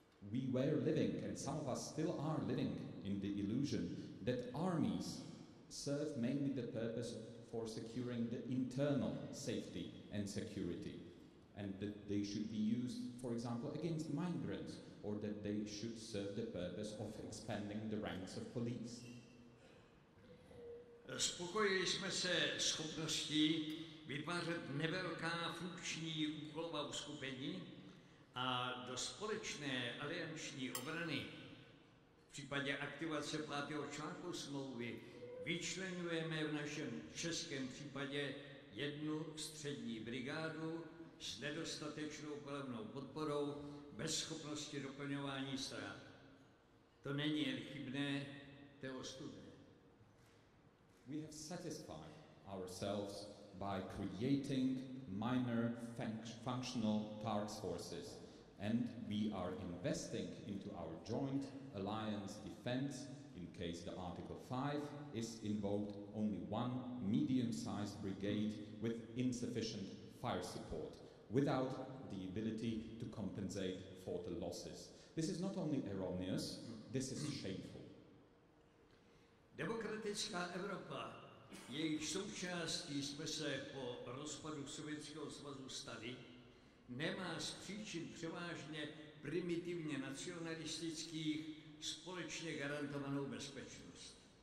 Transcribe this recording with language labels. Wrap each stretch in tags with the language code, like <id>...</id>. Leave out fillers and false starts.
<en>We were living, and some of us still are living, in the illusion that armies serve mainly the purpose for securing the internal safety and security, and that they should be used, for example, against migrants, or that they should serve the purpose of expanding the ranks of police.</en> <cs>Spokojili jsme se schopností vytvářet nevelká funkční úkolová uskupení a do společné alianční obrany v případě aktivace 5. článku smlouvy vyčleňujeme v našem českém případě jednu střední brigádu s nedostatečnou plevnou podporou bez schopnosti doplňování strát. To není jen chybné, to je ostudné.</cs> <en>We have satisfied ourselves by creating minor functional task forces, and we are investing into our joint alliance defense in case the Article 5 is invoked, only one medium-sized brigade with insufficient fire support, without the ability to compensate for the losses. This is not only erroneous, this is shameful.</en> <cs>Demokratická Evropa, jejíž součástí jsme se po rozpadu Sovětského svazu stali, nemá z příčin převážně primitivně nacionalistických společně garantovanou bezpečnost.</cs>